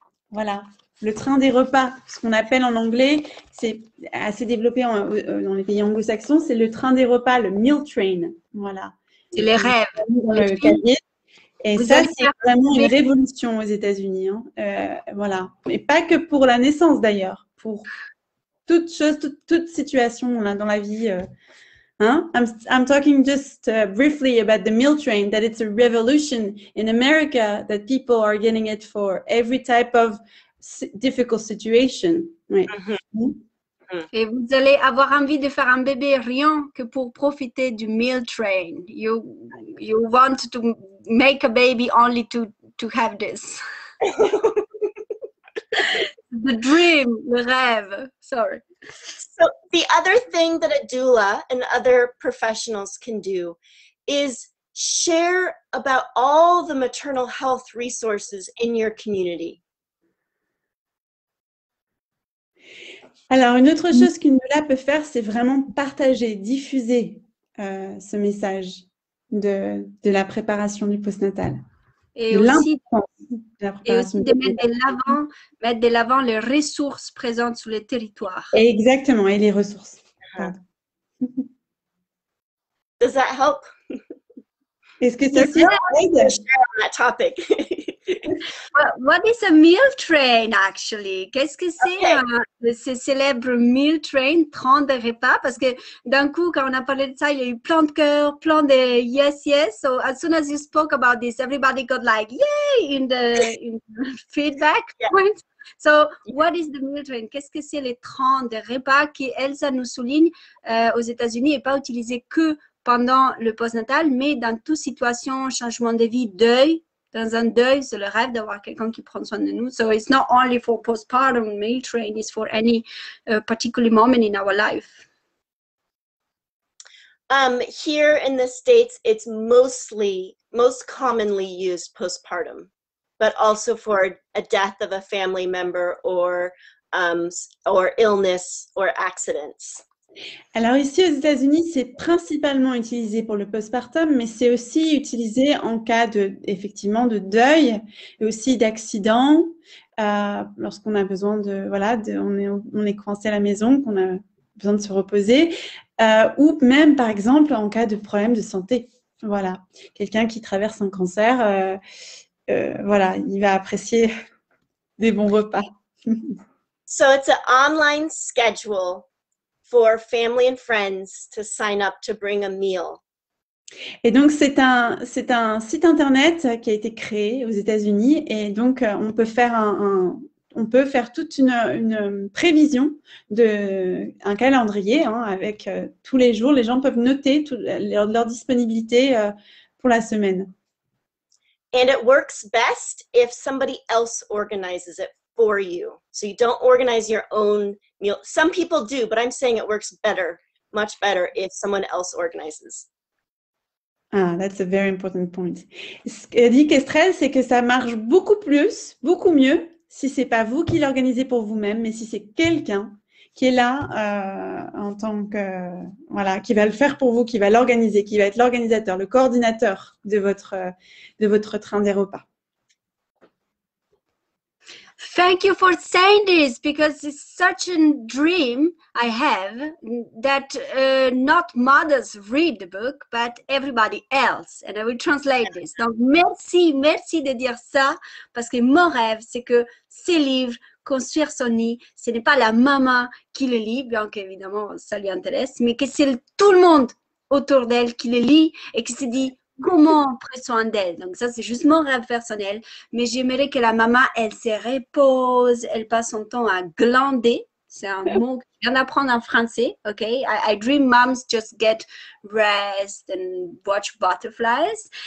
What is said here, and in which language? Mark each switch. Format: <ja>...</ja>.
<fr>Voilà, le train des repas, ce qu'on appelle en anglais, c'est assez développé dans les pays anglo-saxons, c'est le train des repas, le meal train. Voilà. C'est les rêves. Et ça, c'est vraiment une révolution aux États-Unis. Voilà. Mais pas que pour la naissance d'ailleurs, pour toute chose, toute situation dans la vie. Hein?</fr> <en>I'm talking just briefly about the meal train, that it's a revolution in America, that people are getting it for every type of difficult situation.</en> <fr>Oui. Et vous allez avoir envie de faire un bébé rien que pour profiter du meal train.</fr> <en>You want to make a baby only to have this. The dream,</en> <fr>le rêve,</fr> <en>sorry. So the other thing that a doula and other professionals can do is share about all the maternal health resources in your community.</en> <fr>Alors, une autre chose qu'une doula peut faire, c'est vraiment partager, diffuser ce message de la préparation du postnatal. Et aussi de mettre de l'avant les ressources présentes sur le territoire. Exactement, et les ressources.</fr> <en>Does that help?</en> <fr>Est-ce que ça aide?</fr> <en>What is a meal train, actually?</en> <fr>Qu'est-ce que c'est ce célèbre meal train, train de repas? Parce que d'un coup, quand on a parlé de ça, il y a eu plein de cœurs, plein de</fr> <en>yes, yes. So as soon as you spoke about this, everybody got like, yay, in the feedback point. So what is the meal train?</en> <fr>Qu'est-ce que c'est le train de repas qui, Elsa nous souligne, aux États-Unis n'est pas utilisé que pendant le postnatal, mais dans toute situation, changement de vie, deuil. Dans un deuil, c'est le rêve d'avoir quelqu'un qui prend soin de nous.</fr> <en>So it's not only for postpartum meal train, it's for any particular moment in our life. Here in the States, it's most commonly used postpartum, but also for a death of a family member or illness or accidents.</en> <fr>Alors ici aux États-Unis, c'est principalement utilisé pour le postpartum, mais c'est aussi utilisé en cas de, effectivement, de deuil et aussi d'accident, lorsqu'on a besoin de, voilà, de, on est coincé à la maison, qu'on a besoin de se reposer, ou même par exemple en cas de problème de santé. Voilà, quelqu'un qui traverse un cancer, voilà, il va apprécier des bons repas.</fr> <en>So it's an online schedule for family and friends to sign up to bring a meal.</en> <fr>Et donc c'est un site internet qui a été créé aux États-Unis et donc on peut faire on peut faire toute une prévision de un calendrier hein, avec tous les jours les gens peuvent noter leur disponibilité pour la semaine.</fr> <en>And it works best if somebody else organizes it for you. So you don't organize your own meal. Some people do, but I'm saying it works better, much better if someone else organizes. Ah, that's a very important point.</en> <fr>Ce que dit Kestrel, c'est que ça marche beaucoup plus, beaucoup mieux, si c'est pas vous qui l'organisez pour vous-même, mais si c'est quelqu'un qui est là en tant que, voilà, qui va le faire pour vous, qui va l'organiser, qui va être l'organisateur, le coordinateur de votre train des repas.</fr> <en>Thank you for saying this because it's such a dream I have that not mothers read the book but everybody else. And I will translate this.</en> <fr>Donc merci, merci de dire ça parce que mon rêve c'est que ces livres construire son nid, ce n'est pas la maman qui le lit, bien qu'évidemment ça lui intéresse, mais que c'est tout le monde autour d'elle qui le lit et qui se dit comment on prend soin d'elle. Donc ça, c'est juste mon rêve personnel. Mais j'aimerais que la maman, elle se repose, elle passe son temps à glander. C'est un mot que je viens d'apprendre en français, ok?</fr> <en>I dream moms just get rest and watch butterflies.</en>